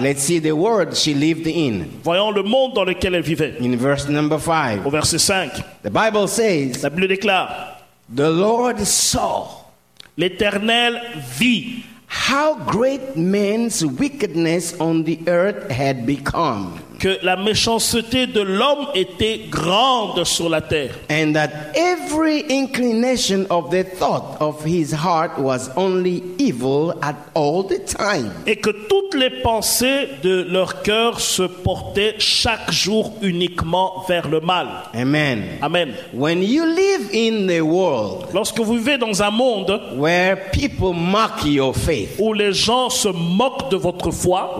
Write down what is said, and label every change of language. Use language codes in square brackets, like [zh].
[en] let's see the world she lived in. [fr] Voyons le monde dans lequel elle vivait. [en] In verse number 5. [fr] Au verset 5. [en] The Bible says, [fr] la Bible déclare, [en] the Lord saw, [fr] l'Éternel vit, [en] how great man's wickedness on the earth had become. [fr] Que la méchanceté de l'homme était grande sur la terre. [en] And that every inclination of the thought of his heart was only evil at all the time. [fr] Et que toutes les pensées de leur cœur se portaient chaque jour uniquement vers le mal. [en] Amen. [fr] Amen. [en] When you live in the world, [fr] lorsque vous vivez dans un monde [en] where people mock your faith, [fr] où les gens se moquent de votre foi,